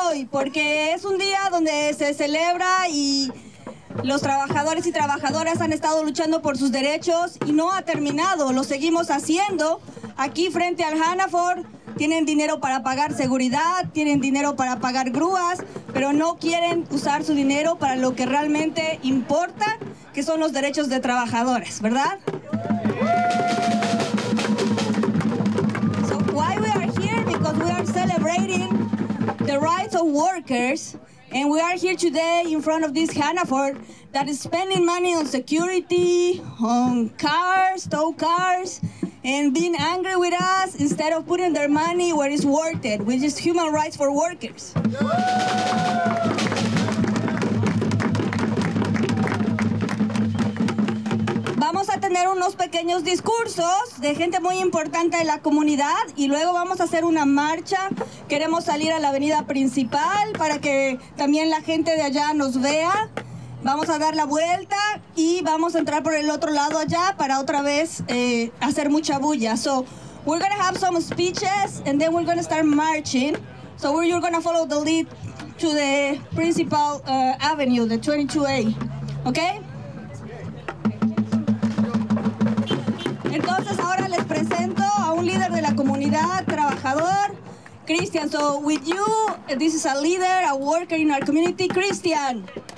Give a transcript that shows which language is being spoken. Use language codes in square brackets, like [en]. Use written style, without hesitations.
[es] Porque es un día donde se celebra y los trabajadores y trabajadoras han estado luchando por sus derechos y no ha terminado, lo seguimos haciendo. Aquí frente al Hannaford tienen dinero para pagar seguridad, tienen dinero para pagar grúas, pero no quieren usar su dinero para lo que realmente importa, que son los derechos de trabajadores, ¿verdad? [en] So why we are here? Because we are celebrating the rights of workers, and we are here today in front of this Hannaford that is spending money on security, on cars, tow cars, and being angry with us instead of putting their money where it's worth it, which is human rights for workers. [es] Vamos a tener unos pequeños discursos de gente muy importante de la comunidad y luego vamos a hacer una marcha. Queremos salir a la avenida principal para que también la gente de allá nos vea. Vamos a dar la vuelta y vamos a entrar por el otro lado allá para otra vez hacer mucha bulla. [en] So, we're gonna have some speeches and then we're gonna start marching. So, you're gonna follow the lead to the principal avenue, the 22A, okay? [es] Entonces ahora les presento a un líder de la comunidad, trabajador, Christian. [en] So with you, this is a leader, a worker in our community, Christian.